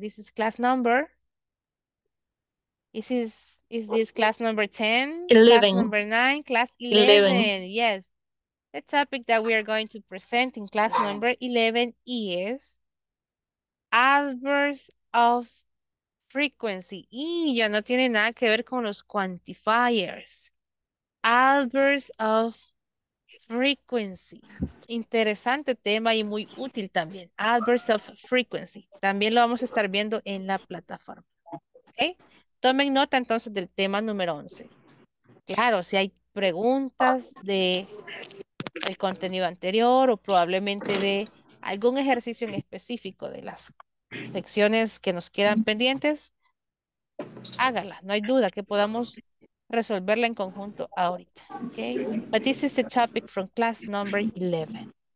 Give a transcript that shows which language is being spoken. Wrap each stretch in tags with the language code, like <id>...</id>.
<en>This is class number. Is this class number 10? 11. Class number 9? Class 11. 11. Yes. The topic that we are going to present in class number 11 is adverbs of frequency.</en> <es>Y ya no tiene nada que ver con los quantifiers.</es> <en>Adverbs of frequency.</en> <es>Interesante tema y muy útil también.</es> <en>Adverbs of frequency.</en> <es>También lo vamos a estar viendo en la plataforma. ¿Okay? Tomen nota entonces del tema número 11. Claro, si hay preguntas de el contenido anterior o probablemente de algún ejercicio en específico de las secciones que nos quedan pendientes, hágala. No hay duda que podamos resolverla en conjunto ahorita.</es> <en>Okay? But this is the topic from class number 11.</en>